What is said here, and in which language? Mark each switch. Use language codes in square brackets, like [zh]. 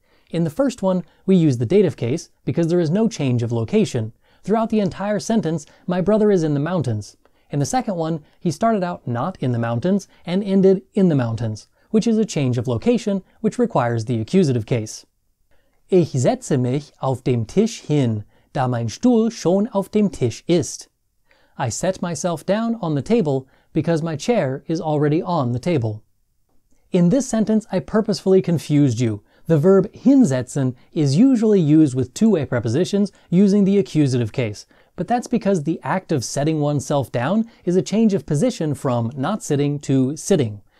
[en] In the first one, we use the dative case because there is no change of location. Throughout the entire sentence, my brother is in the mountains. In the second one, he started out not in the mountains and ended in the mountains, which is a change of location which requires the accusative case. [de] Ich setze mich auf dem Tisch hin, da mein Stuhl schon auf dem Tisch ist. [en] I set myself down on the table because my chair is already on the table. In this sentence, I purposefully confused you. The verb hinsetzen is usually used with two-way prepositions using the accusative case, but that's because the act of setting oneself down is a change of position from not sitting to sitting.